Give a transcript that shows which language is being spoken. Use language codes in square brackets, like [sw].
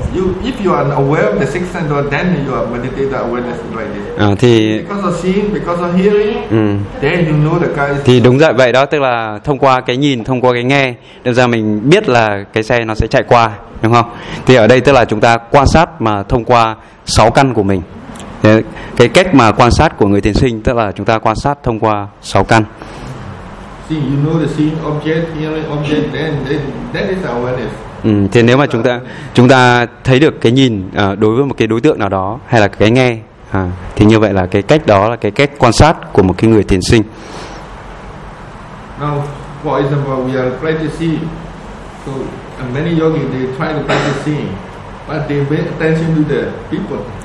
[en] You if you are aware of the six sense door, then you are meditator awareness like this. [vi] Thì [en] because of seeing, because of hearing, then you know the car. [vi] Thì đúng rồi, vậy đó, tức là thông qua cái nhìn, thông qua cái nghe, đơn giản mình biết là cái xe nó sẽ chạy qua, đúng không? Thì ở đây tức là chúng ta quan sát mà thông qua sáu căn của mình. Cái cách mà quan sát của người thiền sinh tức là chúng ta quan sát thông qua sáu căn. [en] See, you know the seeing object, hearing object, then that is awareness. [vi] Thì nếu mà chúng ta thấy được cái nhìn đối với một cái đối tượng nào đó hay là cái nghe thì như vậy là cái cách đó là cái cách quan sát của một cái người thiền sinh. [en] Now, for example, we are practicing. So many yogis they try to practice seeing, but they pay attention to the people.